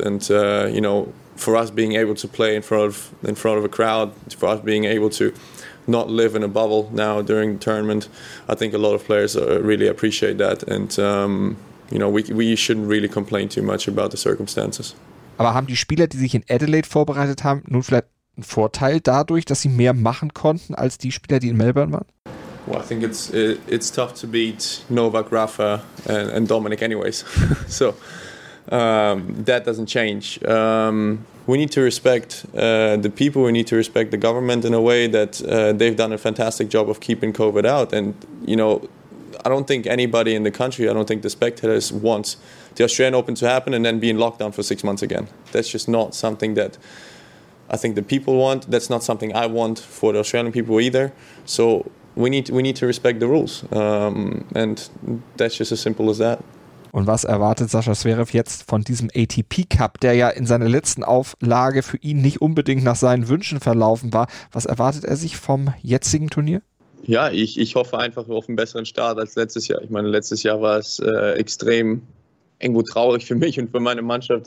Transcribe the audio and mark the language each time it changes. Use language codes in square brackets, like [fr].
[en] And, you know, for us being able to play in front of a crowd, for us being able to not live in a bubble now during the tournament, I think a lot of players really appreciate that. And, you know, we shouldn't really complain too much about the circumstances. [de] Aber haben die Spieler, die sich in Adelaide vorbereitet haben, nun vielleicht einen Vorteil dadurch, dass sie mehr machen konnten als die Spieler, die in Melbourne waren? [en] Well, I think it's tough to beat Novak, Rafa and Dominic anyways. So that doesn't change. We need to respect the people. We need to respect the government in a way that they've done a fantastic job of keeping COVID out. And, you know, I don't think anybody in the country, I don't think the spectators wants the Australian Open to happen and then be in lockdown for 6 months again. That's just not something that I think the people want. That's not something I want for the Australian people either. So We need to respect the rules, and that's just as simple as that. [de] Und was erwartet Sascha Zverev jetzt von diesem ATP Cup, der ja in seiner letzten Auflage für ihn nicht unbedingt nach seinen Wünschen verlaufen war? Was erwartet er sich vom jetzigen Turnier? Ja, ich hoffe einfach auf einen besseren Start als letztes Jahr. Ich meine, letztes Jahr war es extrem irgendwo traurig für mich und für meine Mannschaft.